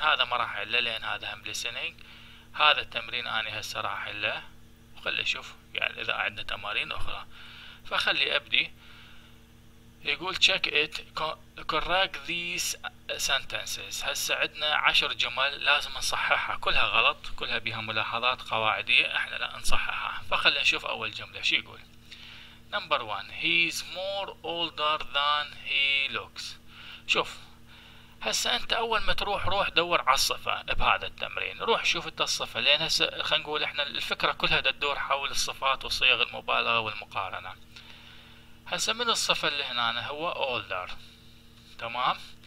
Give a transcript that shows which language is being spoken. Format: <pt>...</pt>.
<ar>هذا ما راح احله لان هذا هم لسنينج. هذا التمرين اني هسه راح احله، خلي اشوف يعني اذا عندنا تمارين اخرى. فخلي ابدي. يقول</ar> <en>check it correct these sentences،</en> <ar>هسه عندنا 10 جمل لازم نصححها، كلها غلط، كلها بها ملاحظات قواعدية احنا لا نصححها. فخلي نشوف اول جملة شو يقول.</ar> <en>number one he is more older than he looks.</en> <ar>شوف هسه انت اول ما تروح، روح دور على الصفة بهذا التمرين، روح شوف انت الصفة، لان هسه خلينا نقول احنا الفكرة كلها تدور حول الصفات وصيغ المبالغة والمقارنة. هسه من الصفة اللي هنا أنا هو</ar> <en>older،</en> <ar>تمام.</ar>